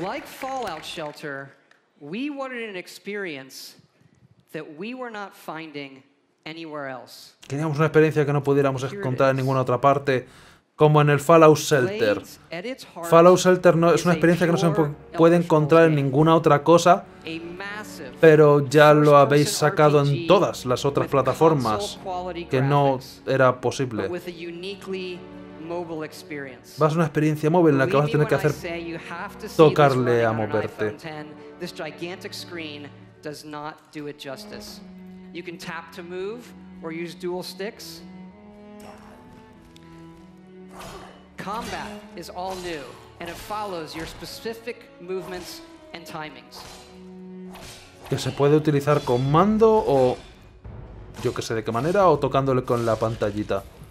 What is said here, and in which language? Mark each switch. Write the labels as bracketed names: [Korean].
[English] Like Fallout Shelter, we wanted an experience that we were not finding [Spanish] Teníamos una experiencia que no pudiéramos encontrar en ninguna otra parte, como en el Fallout Shelter. Fallout Shelter no, es una experiencia que no se puede encontrar en ninguna otra cosa, pero ya lo habéis sacado en todas las otras plataformas, que no era posible. Va a ser una experiencia móvil en la que vas a tener que hacer tocarle a moverte. [English] This gigantic screen does not do it justice. You can tap to move or use dual sticks. Combat is all new, and it follows your specific movements and timings. [Spanish] Que se puede utilizar con mando o yo que sé de qué manera o tocándole con la pantallita.